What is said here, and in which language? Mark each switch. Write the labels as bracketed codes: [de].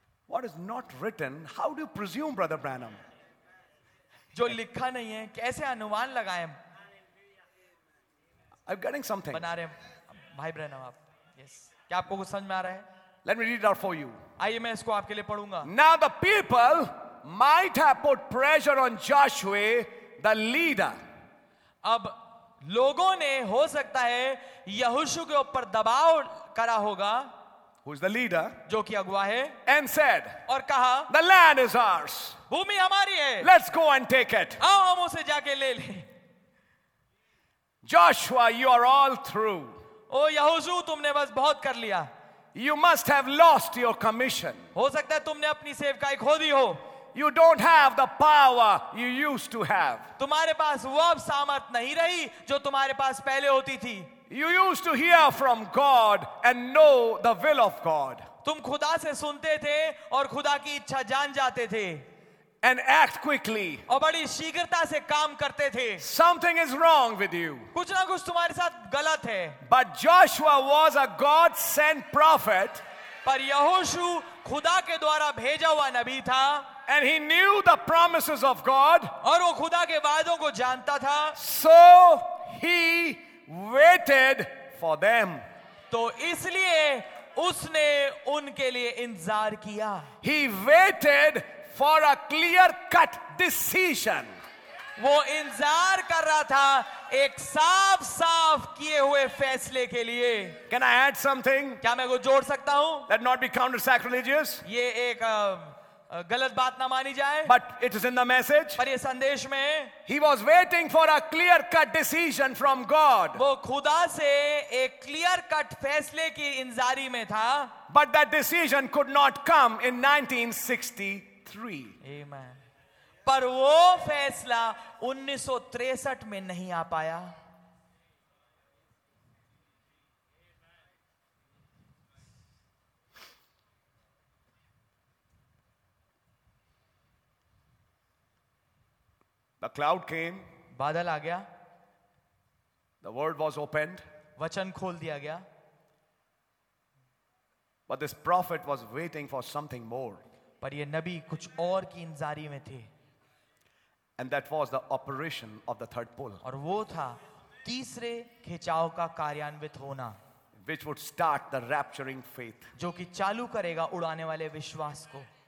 [en] What is not written, how do you presume, brother Branham? [hi] जो लिखा नहीं है कैसे अनुमान लगाएं? [en] I'm getting something. [hi] बना रहे भाई ब्रैनम आप. Yes. क्या आपको कुछ समझ में आ रहा है? [en] Let me read it out for you. [hi] आइए मैं इसको आपके लिए पढ़ूंगा. [en] Now the people might have put pressure on Joshua, the leader. [hi] अब लोगों ने हो सकता है यहोशु के ऊपर दबाव करा होगा [en] Who is the leader? [hi] जो कि अगुआ है [en] And said, [hi] और कहा [en] The land is ours. [hi] भूमि हमारी है [en] Let's go and take it. [hi] आओ हम उसे जाके ले लें [en] Joshua, you are all through. [hi] ओ यहोशु तुमने बस बहुत कर लिया [en] You must have lost your commission. [hi] हो सकता है तुमने अपनी सेवकाई खो दी हो [en] You don't have the power you used to have. [hi] तुम्हारे पास वो अब सामर्थ नहीं रही जो तुम्हारे पास पहले होती थी [en] You used to hear from God and know the will of God. [hi] तुम खुदा से सुनते थे और खुदा की इच्छा जान जाते थे [en] And act quickly. [hi] और बड़ी शीघ्रता से काम करते थे [en] Something is wrong with you. [hi] कुछ ना कुछ तुम्हारे साथ गलत है [en] But Joshua was a God sent prophet. [hi] पर यहोशु खुदा के द्वारा भेजा हुआ नबी था [en] And he knew the promises of God. [hi] और वो खुदा के वादों को जानता था [en] So he waited for them. [hi] तो इसलिए उसने उनके लिए इंतजार किया [en] He waited for a clear cut decision. [hi] वो इंतजार कर रहा था एक साफ साफ किए हुए फैसले के लिए [en] Can I add something? [hi] क्या मैं वो जोड़ सकता हूं [en] Let not be counted sacrilegious. [hi] ये एक गलत बात ना मानी जाए [en] but it is in the message [hi] पर ये संदेश में [en] he was waiting for a clear cut decision from God [hi] वो खुदा से एक क्लियर कट फैसले की इंतजारी में था [en] but that decision could not come in 1963 [hi] पर वो फैसला 1963 में नहीं आ पाया [en] A cloud came. [hi] बादल आ गया. [en] The word was opened. [hi] वचन खोल दिया गया. [en] But this prophet was waiting for something more. [hi] पर ये नबी कुछ और की इंतजारी में थे. [en] And that was the operation of the third pull. [hi] और वो था तीसरे खिंचाव का कार्यान्वित होना. [en] Which would start the rapturing faith. [hi] जो कि चालू करेगा उड़ाने वाले विश्वास को.